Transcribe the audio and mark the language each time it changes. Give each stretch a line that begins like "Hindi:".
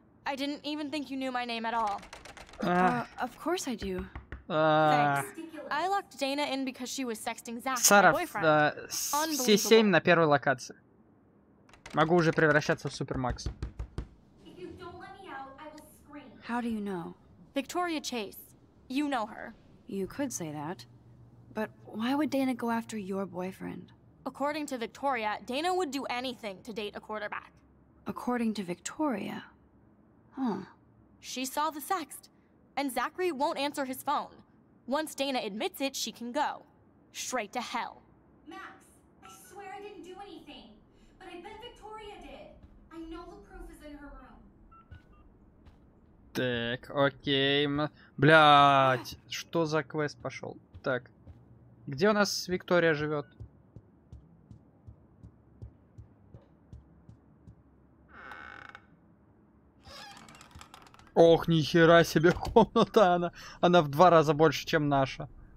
English: I didn't even think you knew my name at all. Of course I do. Thanks. I locked Dana in because she was sexting Zach,
Russian: Саров,
English: my boyfriend.
Russian: Саров, все 7 на первой локации. Могу уже превращаться в Супер Макс.
English: How do you know? Victoria Chase. You know her. You could say that. But why would Dana go after your boyfriend? According to Victoria, Dana would do anything to date a quarterback. According to Victoria? Huh. She saw the sext. And Zachary won't answer his phone. Once Dana admits it, she can go. Straight to hell. Max, I swear I didn't do anything. But I bet Victoria did. I know the proof is in her room.
Russian: Так, окей. Блядь, что за квест пошел? Так, где у нас Виктория живет? Ох, нихера себе комната она. Она в два раза больше, чем наша.